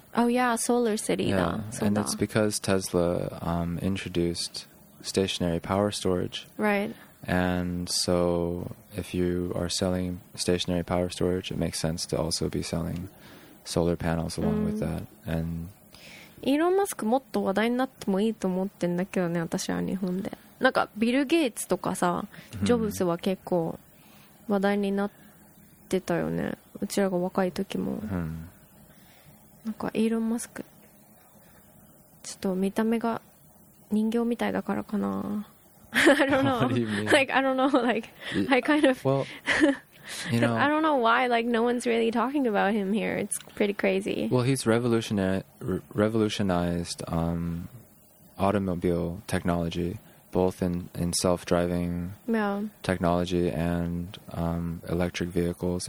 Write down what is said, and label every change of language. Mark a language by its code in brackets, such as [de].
[en] Oh, yeah, SolarCity. Yeah, and it's because Tesla introduced stationary power storage. Right. And so if you are selling stationary power storage, it makes sense to also be selling solar panels along with that. And [ja] イーロン・マスクもっと話題になってもいいと思ってんだけどね、私は日本で。なんかビル・ゲイツとかさ、ジョブズは結構話題になってたよね、うちらが若い時も。なんかイーロン・マスク、ちょっと見た目が人形みたいだからかな。 [en] I don't know. Like, I don't know. Like, I kind of... Well, you know, I don't know why, like, no one's really talking about him here. It's pretty crazy. Well, he's revolutionized automobile technology, both in self-driving technology and electric vehicles.